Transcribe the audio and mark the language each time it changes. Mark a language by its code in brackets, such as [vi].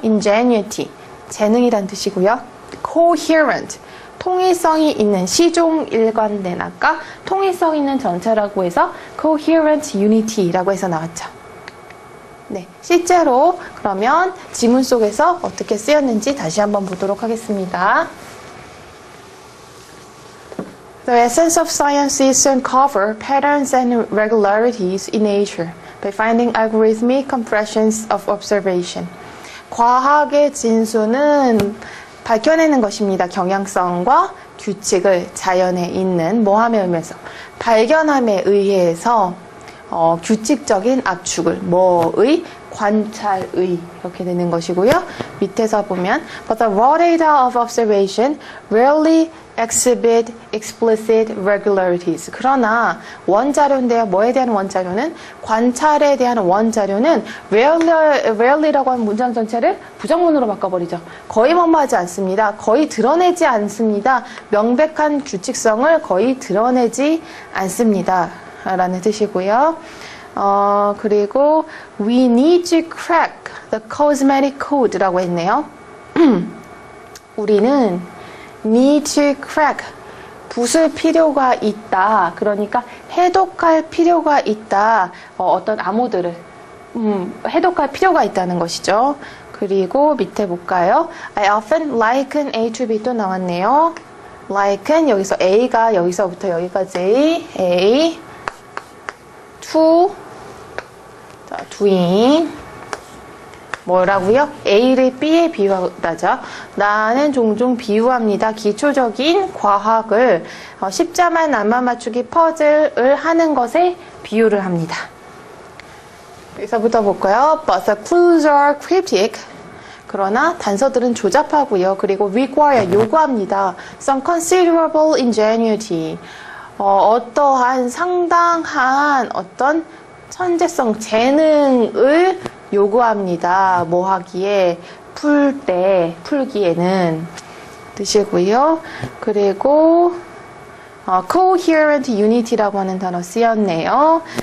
[ko] ingenuity, 재능이란 뜻이고요. coherent, 통일성이 있는 시종 일관된 아까 통일성 있는 전체라고 해서 coherent unity라고 해서 나왔죠. 네, 실제로 그러면 지문 속에서 어떻게 쓰였는지 다시 한번 보도록 하겠습니다. [en] The essence of science is to uncover patterns and regularities in nature by finding algorithmic compressions of observation. [ko] 과학의 진수는 밝혀내는 것입니다. 경향성과 규칙을 자연에 있는 모함에 의해서 발견함에 의해서 규칙적인 압축을 뭐의 관찰의 이렇게 되는 것이고요. 밑에서 보면 [en] But the raw data of observation rarely exhibit explicit regularities. [ko] 그러나 원자료인데요. 뭐에 대한 원자료는? 관찰에 대한 원자료는 rarely라고 하는 문장 전체를 부정문으로 바꿔버리죠. 거의 못마지 않습니다. 거의 드러내지 않습니다. 명백한 규칙성을 거의 드러내지 않습니다. 라는 뜻이고요. 그리고 [en] we need to crack the cosmetic code [ko] 라고 했네요. 우리는 [en] need to crack [ko] 부술 필요가 있다. 그러니까 해독할 필요가 있다. 어떤 암호들을 해독할 필요가 있다는 것이죠. 그리고 밑에 볼까요? [en] I often liken A to B [ko] 또 나왔네요. liken 여기서 A가 여기서부터 여기까지 A to 자, doing 뭐라고요? A를 B에 비유하다죠. 나는 종종 비유합니다. 기초적인 과학을 십자만 안마 맞추기 퍼즐을 하는 것에 비유를 합니다. 여기서부터 볼까요? [en] But the clues are cryptic. [ko] 그러나 단서들은 조잡하고요. 그리고 require, 요구합니다. [en] Some considerable ingenuity. [ko] 어떠한 상당한 어떤 천재성, 재능을 요구합니다. 뭐 하기에? 풀 때, 풀기에는 뜻이고요. 그리고 coherent unity라고 하는 단어 쓰였네요.